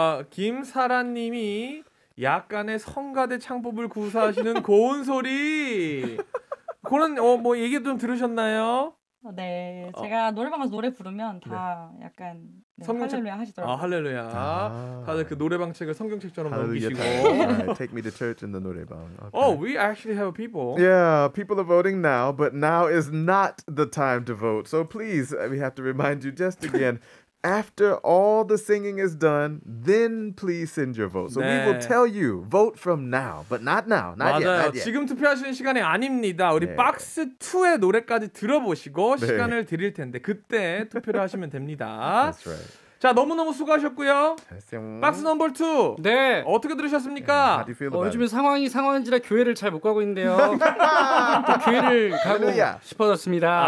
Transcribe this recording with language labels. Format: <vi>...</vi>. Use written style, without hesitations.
<ko>김사라님이 약간의 성가대 창법을 구사하시는 고운 소리 그런 뭐 얘기 좀 들으셨나요? 네, 제가 노래방에서 노래 부르면 다 네. 약간 네, 성경책... 할렐루야 하시더라고요. 아, 할렐루야. 아, 다들 그 노래방 책을 성경책처럼 넘기시고.</ko> <en>Take me to church in the 노래방. Okay. Oh, we actually have people. Yeah, people are voting now, but now is not the time to vote. So please, we have to remind you just again. After all the singing is done, then please send your vote. So 네. we will tell you, vote from now, but not now, not</en> <ko>맞아요. 맞아요. 지금 투표하시는 시간이 아닙니다. 우리 네. 박스 2의 노래까지 들어보시고 네. 시간을 드릴 텐데 그때 투표를 하시면 됩니다.</ko> <en>That's right.</en> <ko>자, 너무너무 수고하셨고요. 박스 넘버 2. 네. 어떻게 들으셨습니까?</ko> <en>Yeah, 어,</en> <ko>요즘에 상황이 상황인지라 교회를 잘 못 가고 있는데요. 또 교회를 가고 싶어졌습니다.</ko>